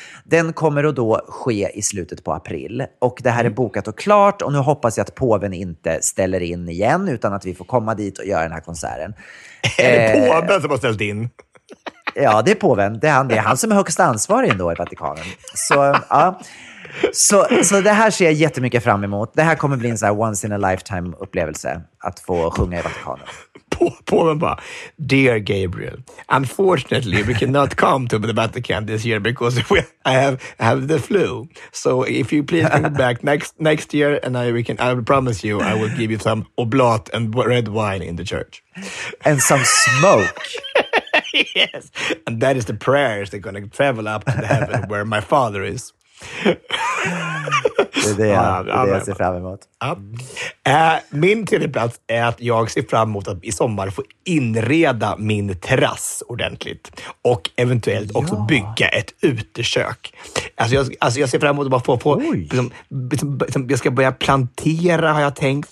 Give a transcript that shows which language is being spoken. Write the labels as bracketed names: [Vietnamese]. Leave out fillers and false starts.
[Swedish] Den kommer att då ske i slutet på april. Och det här är bokat och klart, och nu hoppas jag att påven inte ställer in igen, utan att vi får komma dit och göra den här konserten. Är det påven som har ställt in? Ja, det är påven. Det är han som är högst ansvarig ändå i Vatikanen. Så, ja. så det här ser jag jättemycket fram emot. Det här kommer bli en så här [English] once in a lifetime [Swedish] upplevelse att få sjunga i Vatikanen. Påven bara: [English] "Dear Gabriel, unfortunately we cannot come to the Vatican this year because I have the flu. So if you please come back next year and I promise you I will give you some oblat and red wine in the church and some smoke." Yes, and that is the prayers they're going to travel up to heaven where my father is. [Swedish] Det är det jag ser fram emot. Ja. Min tredje plats är att jag ser fram emot att i sommar få inreda min terrass ordentligt. Och eventuellt också bygga ett utekök. Alltså jag ser fram emot att bara få liksom, jag ska börja plantera, har jag tänkt.